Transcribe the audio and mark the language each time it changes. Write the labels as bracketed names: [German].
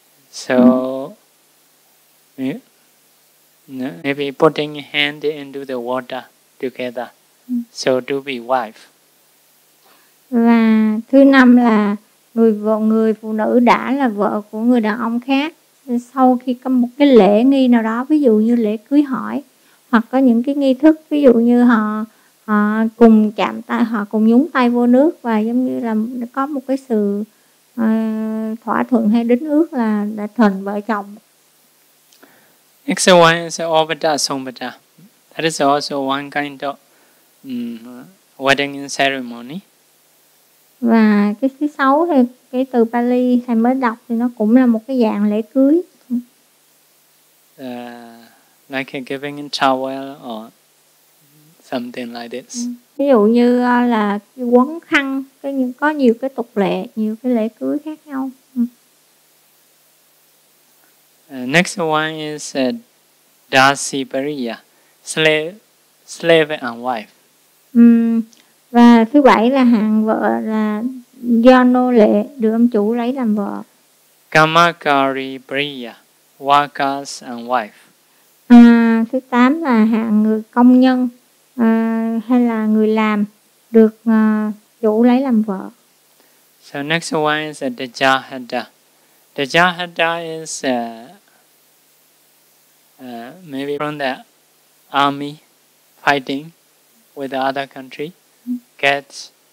[English] So maybe putting hand into the water together. So to be wife. [Vietnamese] Và thứ năm là người phụ nữ đã là vợ của người đàn ông khác sau khi có một cái lễ nghi nào đó, ví dụ như lễ cưới hỏi hoặc có những cái nghi thức, ví dụ như họ cùng chạm tay, họ cùng nhúng tay vô nước và giống như là có một cái sự thỏa thuận hay đính ước là đã thành vợ chồng. [English] Next one is Obata Sombata. That is also one kind of wedding ceremony. [Vietnamese] Và cái thứ sáu thì cái từ Pali thầy mới đọc thì nó cũng là một cái dạng lễ cưới. [English] Like giving in towel or something like this. [Vietnamese] Ví dụ như là quấn khăn, có nhiều cái tục lệ, nhiều cái lễ cưới khác nhau. [English] Next one is Dasibariya, slave and wife. [Vietnamese] Và thứ bảy là hạng vợ là do nô lệ được ông chủ lấy làm vợ. [English] Kamakari Priya, workers and wife. [Vietnamese] Thứ tám là hạng người công nhân hay là người làm được chủ lấy làm vợ. [English] So next one is Dajahada. Dajahada is maybe from the army fighting with the other country. Gets